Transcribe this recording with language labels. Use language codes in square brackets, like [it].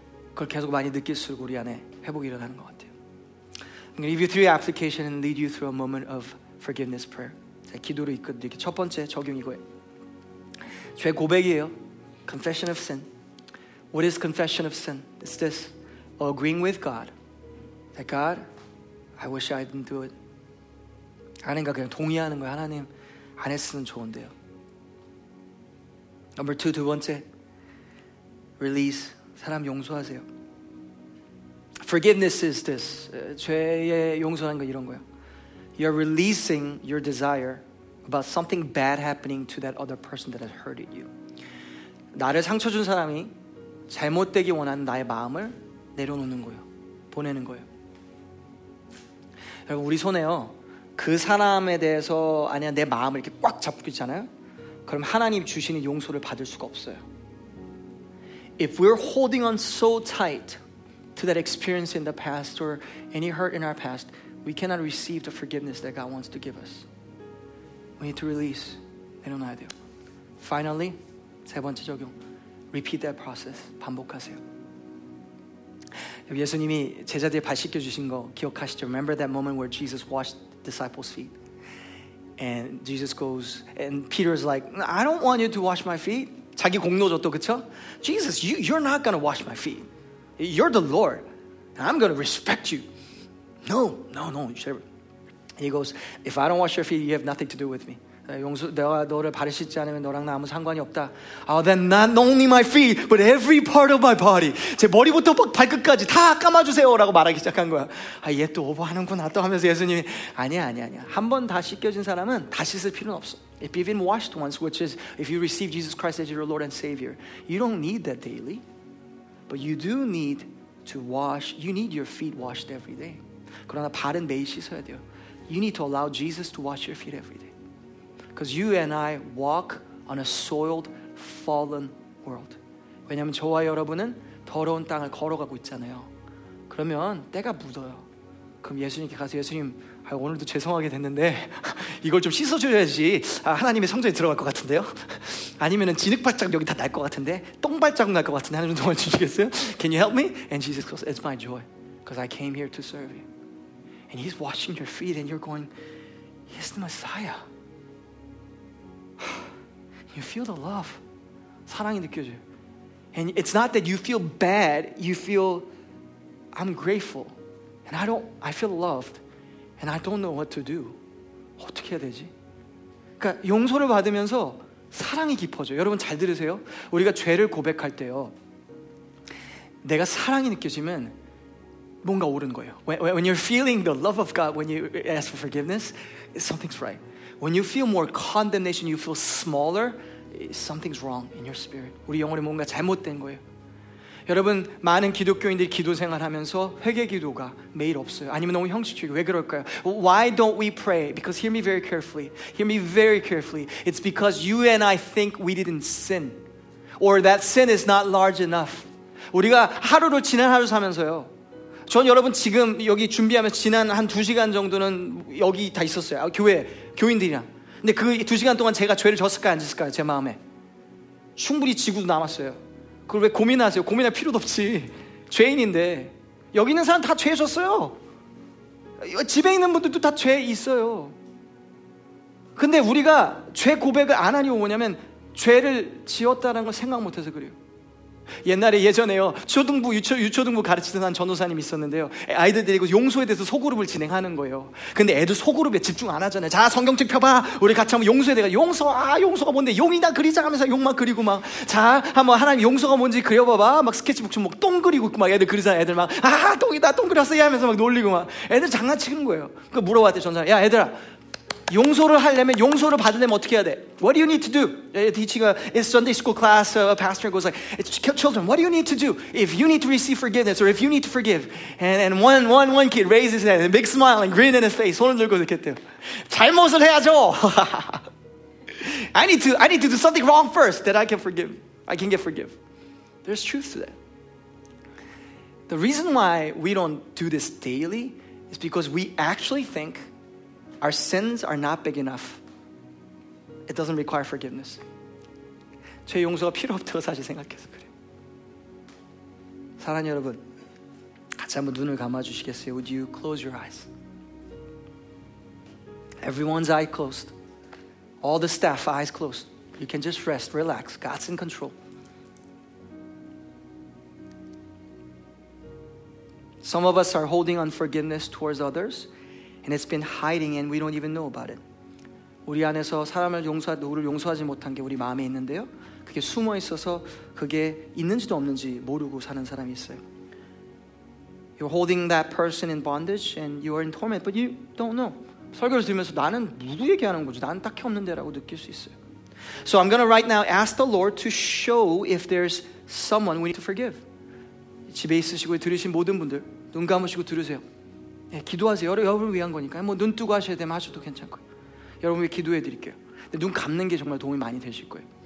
[ko] 그걸 계속 많이 느낄수록 우리 안에 회복이 일어나는 것 같아요. [en] I'm going to give you three applications and lead you through a moment of forgiveness prayer. [ko] 자, 기도로 이끄는 이렇게 첫 번째 적용 이거예요. 죄 고백이에요. [en] Confession of sin. What is confession of sin? It's this. Agreeing with God. That God, I wish I didn't do it. [ko] 하나님과 그냥 동의하는 거예요. 하나님 안 했으면 좋은데요. [en] Number two, [ko] 두 번째. [en] Release. [ko] 사람 용서하세요. [en] Forgiveness is this. [ko] 죄에 용서하는 건 이런 거예요. [en] You're releasing your desire about something bad happening to that other person that has hurted you. [ko] 나를 상처 준 사람이 잘못되기 원하는 나의 마음을 내려놓는 거예요. 보내는 거예요. 여러분, 우리 손에요, 그 사람에 대해서 아니야 내 마음을 이렇게 꽉 잡고 있잖아요. 그럼 하나님 주시는 용서를 받을 수가 없어요. [en] If we're holding on so tight to that experience in the past or any hurt in our past, we cannot receive the forgiveness that God wants to give us. We need to release. [ko] 내려놔야 돼요. [en] Finally, [ko] 세 번째 적용. [en] Repeat that process. [ko] 반복하세요. 예수님이 제자들 발 씻겨주신 거 기억하시죠? [en] Remember that moment where Jesus washed disciples' feet? And Jesus goes, and Peter's like, I don't want you to wash my feet. [ko] 자기 공로 줬다, 그쵸? [en] Jesus, you're not going to wash my feet. You're the Lord. And I'm going to respect you. No, no, no. He goes, if I don't wash your feet, you have nothing to do with me. [ko] 용서, 내가 너를 발을 씻지 않으면 너랑 나 아무 상관이 없다. [en] Oh, then not only my feet, but every part of my body. [ko] 제 머리부터 발끝까지 다 감아주세요 라고 말하기 시작한 거야. 아, 얘 또 오버하는구나 또 하면서 예수님이, 아니야, 아니야, 아니야. 한 번 다 씻겨진 사람은 다시 쓸 필요는 없어. [en] If you've been washed once, which is if you receive Jesus Christ as your Lord and Savior, you don't need that daily. But you do need to wash, you need your feet washed every day. [ko] 그러나 발은 매일 씻어야 돼요. [en] You need to allow Jesus to wash your feet every day. Because you and I walk on a soiled, fallen world. [ko] 왜냐하면 저와 여러분은 더러운 땅을 걸어가고 있잖아요. 그러면 때가 묻어요. 그럼 예수님께 가서, 예수님, 아, 오늘도 죄송하게 됐는데 이걸 좀 씻어줘야지 아, 하나님의 성전에 들어갈 것 같은데요. 아니면 진흙발짝 여기 다 날 것 같은데, 똥발짝 날 것 같은데 하나님 도와 주시겠어요? [en] Can you help me? And Jesus goes, it's my joy. Because I came here to serve you. And he's washing your feet and you're going, he's the Messiah. You feel the love. [ko] 사랑이 느껴져요. [en] And it's not that you feel bad. You feel, I'm grateful. And I feel loved. And I don't know what to do. [ko] 어떻게 해야 되지? 그러니까 용서를 받으면서 사랑이 깊어져요. 여러분 잘 들으세요. 우리가 죄를 고백할 때요, 내가 사랑이 느껴지면 뭔가 옳은 거예요. [en] When you're feeling the love of God, when you ask for forgiveness, something's right. When you feel more condemnation, you feel smaller, something's wrong in your spirit. [ko] 우리 영혼에 뭔가 잘못된 거예요. 여러분, 많은 기독교인들이 기도 생활하면서 회개 기도가 매일 없어요. 아니면 너무 형식적이에요. 왜 그럴까요? [en] Why don't we pray? Because hear me very carefully. Hear me very carefully. It's because you and I think we didn't sin. Or that sin is not large enough. [ko] 우리가 하루로 지난 하루 사면서요. 전 여러분 지금 여기 준비하면서 지난 한 2시간 정도는 여기 다 있었어요. 교회, 교인들이랑. 근데 그 2시간 동안 제가 죄를 졌을까요? 안 졌을까요? 제 마음에. 충분히 지구도 남았어요. 그걸 왜 고민하세요? 고민할 필요도 없지. 죄인인데. 여기 있는 사람 다 죄 졌어요. 집에 있는 분들도 다 죄 있어요. 근데 우리가 죄 고백을 안 하니 뭐냐면 죄를 지었다는 걸 생각 못해서 그래요. 옛날에 예전에요 초등부 유초등부 가르치던 한 전도사님 있었는데요 아이들 데리고 용서에 대해서 소그룹을 진행하는 거예요 근데 애들 소그룹에 집중 안 하잖아요 자 성경책 펴봐 우리 같이 한번 용서에 대해 용서 아 용서가 뭔데 용이나 그리자 하면서 용만 그리고 막 자 한번 하나님 용서가 뭔지 그려봐봐 막 스케치북 좀 막 똥 그리고 막 애들 그리잖아 애들 막 아 똥이다 똥 그렸어 야 하면서 막 놀리고 막 애들 장난치는 거예요 그러니까 물어봤대 전도사님 야 애들아 용서를 하려면 용서를 받으려면 어떻게 해야 돼? [en] What do you need to do? A teacher, it's Sunday school class, a pastor goes like, children, what do you need to do? If you need to receive forgiveness or if you need to forgive. And one kid raises his hand, a big smile and grin in his face. [ko] 손을 들고 이렇게 돼요. 잘못을 해야죠. [en] I need to do something wrong first that I can forgive. I can get forgive. There's truth to that. The reason why we don't do this daily is because we actually think our sins are not big enough. It doesn't require forgiveness. [ko] 죄 용서가 필요 없다고 사실 생각해서 그래요. 사랑하는 여러분, 같이 한번 눈을 감아주시겠어요? [en] Would you close your eyes? Everyone's eye closed. All the staff, eyes closed. You can just rest, relax. God's in control. Some of us are holding unforgiveness towards others. And it's been hiding and we don't even know about it. [ko] 우리 안에서 사람을 용서하지 못한 게 우리 마음에 있는데요. 그게 숨어 있어서 그게 있는지도 없는지 모르고 사는 사람이 있어요. [en] You're holding that person in bondage and you are in torment, but you don't know. [ko] 설교를 들으면서 나는 누구 얘기하는 거지? 나는 딱히 없는데라고 느낄 수 있어요. [en] So I'm going to right now ask the Lord to show if there's someone we need to forgive. [ko] 집에 있으시고 들으신 모든 분들, 눈 감으시고 들으세요. 예, 기도하세요. 여러분을 위한 거니까요. 뭐 눈 뜨고 하셔야 되면 하셔도 괜찮고요. 여러분을 위해 기도해 드릴게요. 근데 눈 감는 게 정말 도움이 많이 되실 거예요.